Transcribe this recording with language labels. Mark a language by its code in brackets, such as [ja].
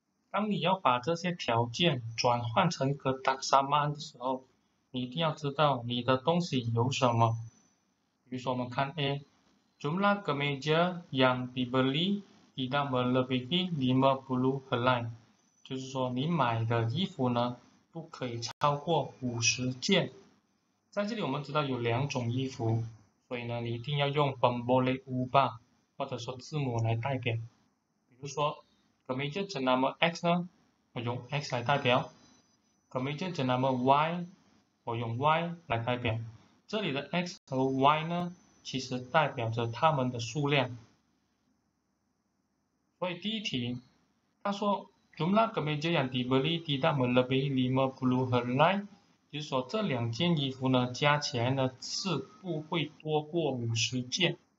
[zh] 当你要把这些条件转换成 ketaksamaan 的时候，你一定要知道你的东西有什么。比如说我们看 A。 [ms] Jumlah kemeja yang dibeli tidak melebihi 50 helai， [zh] 就是说你买的衣服呢不可以超过50件。在这里我们知道有2种衣服，所以呢你一定要用 pembeli ubah 或者说字母来代表。比如说 kemeja jenama X 呢，我用 X 来代表；kemeja jenama Y，我用 Y 来代表。这里的 X 和 Y 呢，其实代表着它们的数量。所以第一题，他说 [ms] jumlah kemeja yang dibeli tidak melebihi 50 helai， [zh] 就是说这2件衣服呢加起来呢是不会多过50件。